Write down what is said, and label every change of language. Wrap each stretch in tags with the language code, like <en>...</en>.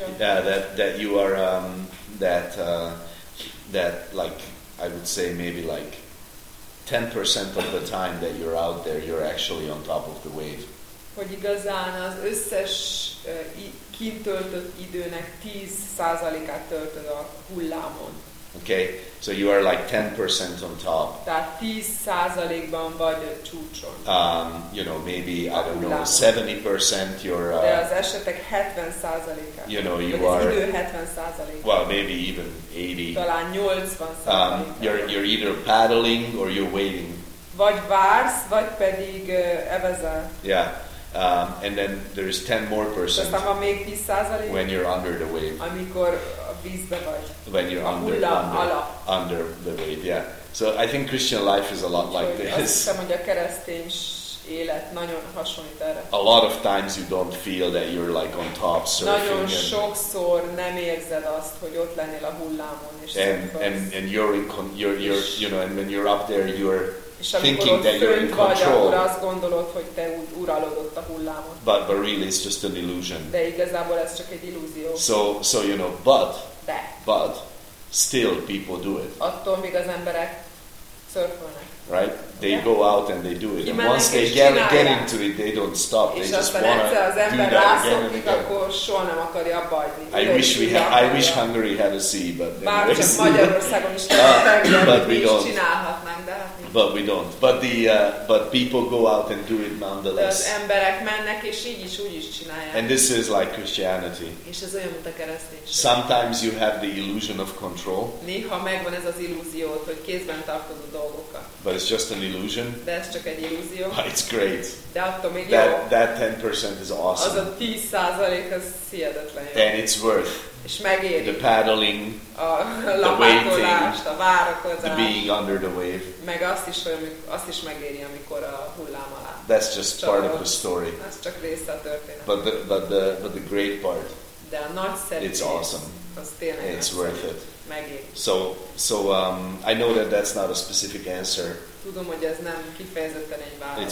<en>Yeah, that you are that like I would say maybe like 10% of the time that you're out there you're actually on top of the wave.</en> <hu>Hogy igazán az összes kitöltött időnek 10%-át töltöd a hullámon.</hu> <en>Okay, so you are like 10% on top.</en> <hu>Tehát 10%-ban vagy a csúcson.</hu> <en>You know, maybe I don't know, 70% you're.</en> <hu>De az esetek 70%-a.</hu> <en>You know, you</en> <hu>vagy</hu> <en>are.</en> <hu>Az idő 70%-a.</hu> <en>Well, maybe even 80.</en> <hu>Talán 80%-a.</hu> <en>You're either paddling or you're waiting.</en> <hu>Vagy vársz, vagy pedig evezel.</hu> <en>Yeah. And then there is 10 more percent when you're under the wave.</en> <hu>Amikor a vízbe vagy.</hu> <en>When you're under the wave, yeah. So I think Christian life is a lot like this.</en> <hu>Azt hiszem, hogy a keresztény élet nagyon hasonlít erre.</hu> <en>A lot of times you don't feel that you're like on top surfing.</en> <hu>Nagyon sokszor nem érzed azt, hogy ott lennél a hullámon és</hu> <en>And you're in you're you know, and when you're up there you're</en> <hu>és amikor ott fönt vagy, akkor azt gondolod, hogy te uralod ott a hullámot.</hu> <en>But really it's just an illusion.</en> <hu>De igazából ez csak egy illúzió.</hu> <en>So you know, but still people do it.</en> <hu>Attól még az emberek szörfölnek.</hu> <en>Right? They go out and they do it. And once they get into it, they don't stop. They just want to do that again and again.</en> <hu>Akkor soha nem akarja abba adni.</hu> <en>I wish Hungary had a sea, but anyway.</en> <hu>Bárcsak Magyarországon is tudjuk, hogy mi is csinálhatnánk, de</hu> <en>but we don't. But people go out and do it nonetheless.</en> <hu>De az emberek mennek, és így is, úgy is csinálják.</hu> <en>And this is like Christianity.</en> <hu>És ez olyan, mint a kereszténység.</hu> <en>Sometimes you have the illusion of control.</en> <hu>Néha megvan ez az illúzió, hogy kézben tartod a dolgokat.</hu> <en>But it's just an illusion.</en> <hu>De ez csak egy illúzió.</hu> <en>But it's great.</en> <hu>De attól még jó.</hu> <en>That 10% is awesome.</en> <hu>Az a 10% az hihetetlen jó.</hu> <en>And it's worth.</en> <hu>És megéri.</hu> <en>The paddling.</en> <hu>A lapátolás, a várakozás.</hu> <en>The being under the wave.</en> <hu>Meg azt is megéri, amikor a hullám alá.</hu> <en>That's just part of the story.</en> <hu>Ez csak része a történet.</hu> <en>But the great part.</en> <hu>De a nagy szerint.</hu> <en>It's awesome.</en> <hu>Az tényleg.</hu> <en>It's worth it.</en> <hu>Megint.</hu> <en>So I know that that's not a specific answer.</en> <hu>Tudom, hogy ez nem kifejezetten egy válasz.</hu>